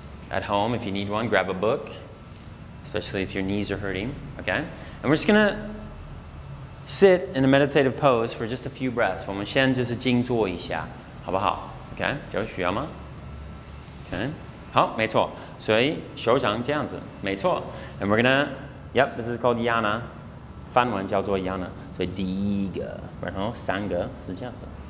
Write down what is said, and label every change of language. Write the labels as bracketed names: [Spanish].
[English] At home, if you need one, grab a book, especially if your knees are hurting, okay? And we're just gonna sit in a meditative pose for just a few breaths. [Chinese] 我们先就是静坐一下, 好不好? Okay, 脚需要吗?Okay, 好, 没错. 所以手掌这样子, 没错. [English] And we're gonna, yep, this is called Yana. [Chinese] 翻完叫做 Yana. 所以第一个, 然后三个是这样子.